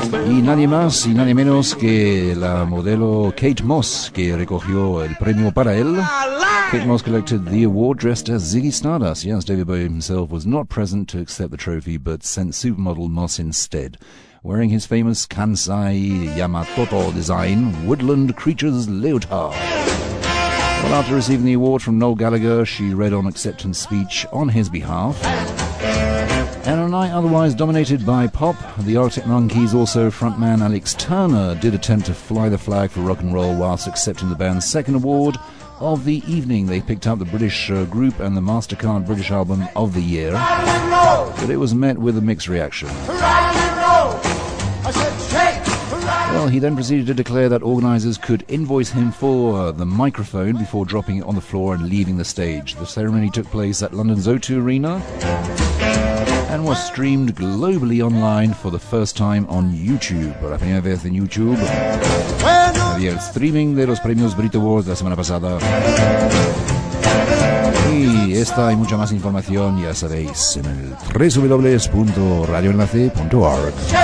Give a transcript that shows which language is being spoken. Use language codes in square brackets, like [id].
[es] Y nadie más y nadie menos que la modelo Kate Moss, que recogió el premio para él. [en] Kate Moss collected the award dressed as Ziggy Stardust. Yes, David Bowie himself was not present to accept the trophy, but sent supermodel Moss instead, wearing his famous Kansai Yamatoto design woodland creatures leotard. Well, after receiving the award from Noel Gallagher, she read on acceptance speech on his behalf. And on a night otherwise dominated by pop, the Arctic Monkeys also frontman Alex Turner did attempt to fly the flag for rock and roll whilst accepting the band's second award of the evening. They picked up the British group and the MasterCard British Album of the Year. But it was met with a mixed reaction. Well, he then proceeded to declare that organizers could invoice him for the microphone before dropping it on the floor and leaving the stage. The ceremony took place at London's O2 Arena and was streamed globally online for the first time on YouTube. [es] Por la primera vez en YouTube. Había el streaming de los premios Brit Awards la semana pasada. Y esta y mucha más información ya sabéis en el www.radioenlace.org.